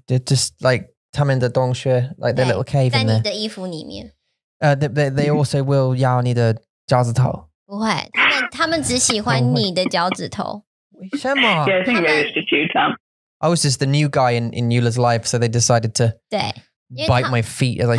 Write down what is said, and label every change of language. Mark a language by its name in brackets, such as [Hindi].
[English] They're just like [Chinese] 他们的洞穴, [English] like their little cave in there. [Chinese] 在你的衣服里面。 [English] They also will [Chinese] 咬你的脚趾头。不会, 他们只喜欢你的脚趾头。为什么? [English] Yeah, I think they used to chew, Tom. I was just the new guy in Eula's life, so they decided to bite my feet as I slept.